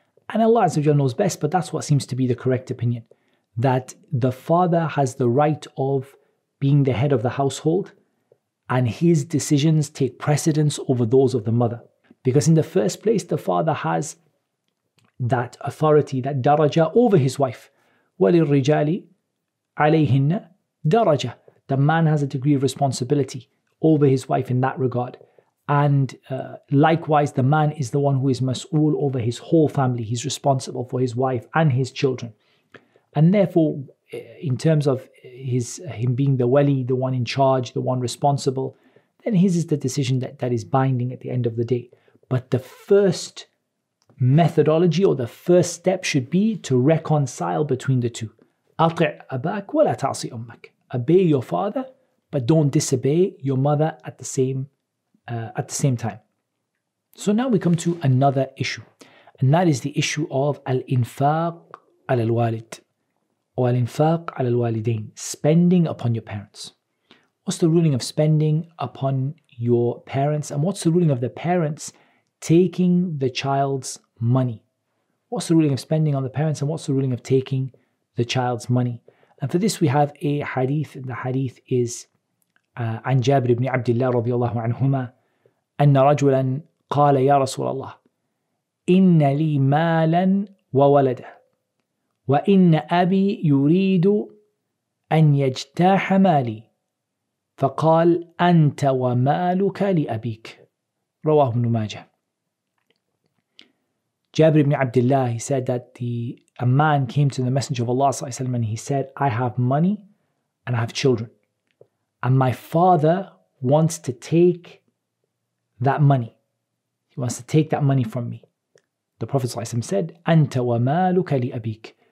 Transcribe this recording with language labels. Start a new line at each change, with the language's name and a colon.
English: And Allah Azza wa Jalla knows best, but that's what seems to be the correct opinion. That the father has the right of being the head of the household and his decisions take precedence over those of the mother. Because in the first place, the father has that authority, that daraja over his wife.
Arabic: وَلِلْرِجَالِ عَلَيْهِنَّ daraja.
English: The man has a degree of responsibility over his wife in that regard. And likewise, the man is the one who is mas'ul over his whole family. He's responsible for his wife and his children. And therefore, in terms of him being the wali, the one in charge, the one responsible, then his is the decision that is binding at the end of the day. But the first methodology or the first step should be to reconcile between the two.
Arabic: أطع أباك ولا تعصي أمك.
English: Obey your father, but don't disobey your mother at the same time. So now we come to another issue, and that is the issue of
Arabic: الإنفاق على الوالد
English: or
Arabic: الإنفاق على الوالدين,
English: spending upon your parents. What's the ruling of spending upon your parents, and what's the ruling of the parents taking the child's money? What's the ruling of spending on the parents, and what's the ruling of taking the child's money? And for this we have a hadith, and the hadith is
Arabic: عن جابر بن عبد الله رضي الله عنهما أن رجلا قال يا رسول الله إن لي مالا وولدا وإن أبي يريد أن يجتاح مالي فقال أنت ومالك لأبيك رواه ابن ماجه.
English: Jabir ibn Abdullah, he said that a man came to the Messenger of Allah sallallahu alaihi wasallam, and he said, I have money and I have children, and my father wants to take that money. He wants to take that money from me. The Prophet sallallahu alaihi wasallam said,
Arabic: Anta wa maluka li abik.